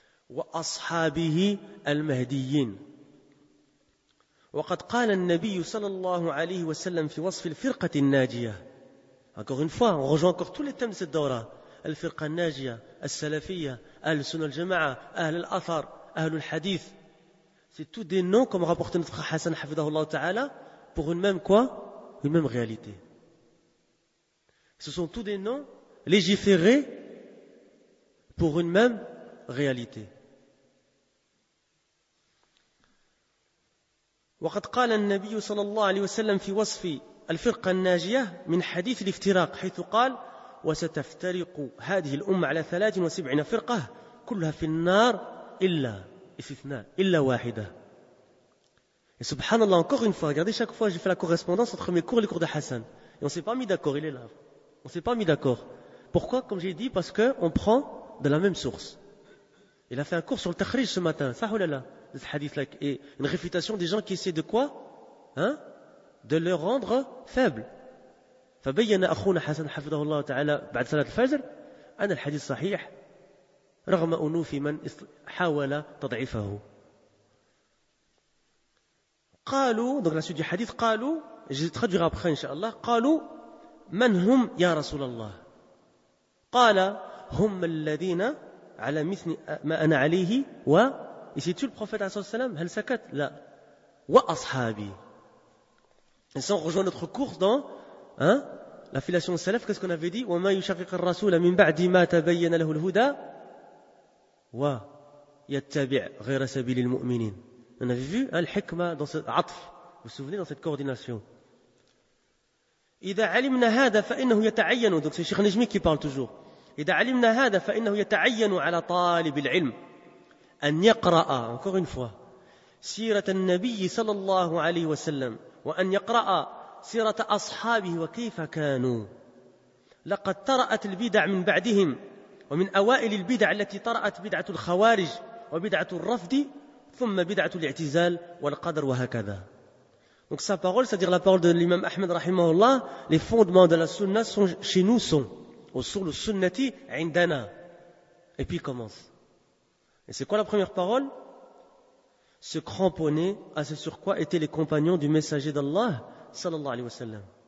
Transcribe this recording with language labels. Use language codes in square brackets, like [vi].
[ar] وأصحابه المهديين وقد قال النبي صلى الله عليه وسلم في وصف الفرقة الناجية. [fr] Encore une fois, on rejoint encore tous les thèmes de cette daura. [ar] الفرقة الناجية, السلفية, أهل السنة الجماعة, أهل الأثر, أهل الحديث. [fr] C'est tous des noms, comme rapporté notre Hassan [ar] حفظه الله تعالى, [fr] pour une même quoi? Une même réalité. Ce sont tous des noms légiférés pour une même réalité. [ar] وقد قال النبي صلى الله عليه وسلم في وصف الفرقة الناجية من حديث الافتراق حيث قال وستفترق هذه الأمة على 73 فرقة كلها في النار إلا استثناء إلا واحدة. [fr] Et subhanallah, encore une fois, regardez, chaque fois j'ai fait la correspondance entre mes cours et les cours de Hassan, et on s'est pas mis d'accord, il est là, on s'est pas mis d'accord. Pourquoi? Comme j'ai dit, parce que on prend de la même source. Il a fait un cours sur le takhrij ce matin, ça houlala. Ce hadith-là est une réfutation des gens qui essaient de quoi? Hein? De le rendre faible. [ar] فبين أخونا حسن حفظه الله تعالى بعد صلاة الفجر أن الحديث صحيح رغم أنوف من حاول تضعيفه. قالوا, [fr] donc la suite du hadith, [ar] قالوا, [fr] je vais traduire après inshallah, [ar] قالوا من هم يا رسول الله؟ قال هم الذين على مثل ما أنا عليه و [fr] Et c'est-tu le prophète [ar] عليه الصلاة والسلام? هل سكت? لا. وأصحابي. [fr] Et ça, on rejoint notre cours dans, hein, la filiation salaf. Qu'est-ce qu'on avait dit? [ar] وما يشقق الرسول من بعد ما تبين له الهدى ويتبع غير سبيل المؤمنين. [fr] On avait vu, hein, الحكمة dans ce عطف. Vous vous souvenez, dans cette coordination. [ar] إذا علمنا هذا فإنه يتعين. [fr] Donc c'est Cheikh Najmi qui parle toujours. [ar] إذا علمنا هذا فإنه يتعين على طالب العلم. أن يقرأ, [fr] encore une fois, [ar] سيرة النبي صلى الله عليه وسلم وأن يقرأ سيرة أصحابه وكيف كانوا لقد طرأت البدع من بعدهم ومن أوائل البدع التي طرأت بدعة الخوارج وبدعة الرفض ثم بدعة الاعتزال والقدر وهكذا. [fr] Donc sa parole, c'est-à-dire la parole de l'imam Ahmed rahimahullah, les fondements de la sunna sont chez nous, sont au sur le sunnati indana. Et puis il commence. Et c'est quoi la première parole? Se cramponner à ce sur quoi étaient les compagnons du messager d'Allah sallallahu alayhi wa sallam.